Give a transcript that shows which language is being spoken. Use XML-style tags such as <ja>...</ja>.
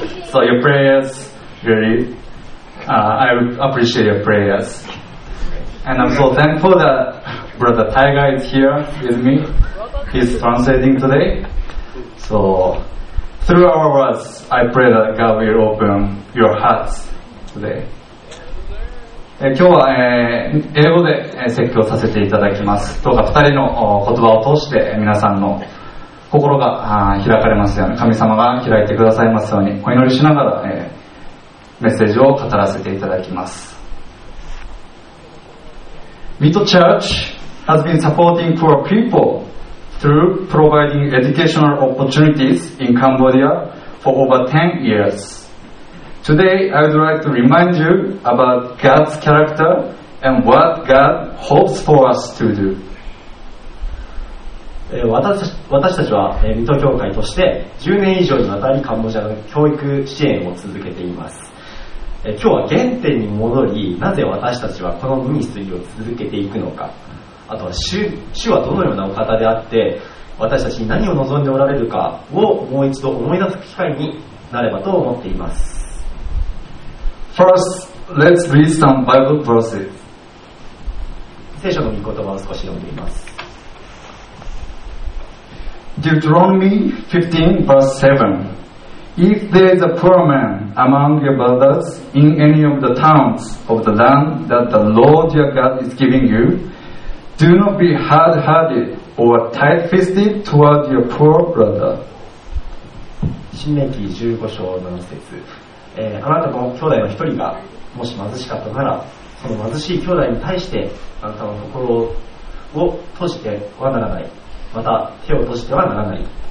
<en>So your prayers, really, I appreciate your prayers. And I'm so thankful that Brother Taiga is here with me. He's translating today. So through our words, I pray that God will open your hearts today.</en> <ja>今日は、英語で説教させていただきます。どうか二人の言葉を通して皆さんの心が開かれますように、神様が開いてくださいますように、お祈りしながら、メッセージを語らせていただきます。</ja> <en>Mito Church has been supporting poor people through providing educational opportunities in Cambodia for over 10 years. Today, I would like to remind you about God's character and what God hopes for us to do.</en> <ja>私たちは水戸教会として10年以上にわたりカンボジアの教育支援を続けています。今日は原点に戻り、なぜ私たちはこのミニストリーを続けていくのか、あとは 主はどのようなお方であって、私たちに何を望んでおられるかをもう一度思い出す機会になればと思っています。</ja> <en>First, let's read some Bible verses.</en> <ja>聖書の御言葉を少し読んでみます。</ja> <en>Deuteronomy 15, verse 7. If there is a poor man among your brothers in any of the towns of the land that the Lord your God is giving you, do not be hard-hearted or tight-fisted toward your poor brother.</en> <ja>新命記15章7節、あなたの兄弟の一人がもし貧しかったなら、その貧しい兄弟に対してあなたの心を閉じてはならない。また手を閉じてはならない。</ja>